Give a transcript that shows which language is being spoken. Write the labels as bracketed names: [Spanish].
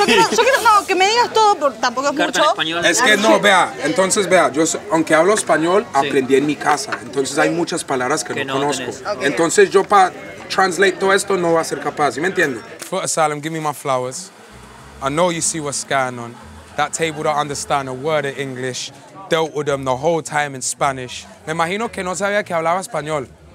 [Spanish] Yo quiero, no, que me digas todo, porque tampoco es carta mucho. En español, es que no, vea. Entonces, vea, yo, aunque hablo español, sí. Aprendí en mi casa. Entonces, hay muchas palabras que no conozco. Okay. Entonces, yo para [English] translate [Spanish] todo esto no voy a ser capaz. ¿Sí me entiendes? [English] Footasylum, give me my flowers. I know you see what's going on. That table don't understand a word of English. Dealt with them the whole time in Spanish. [Spanish] Me imagino que no sabía que hablaba español.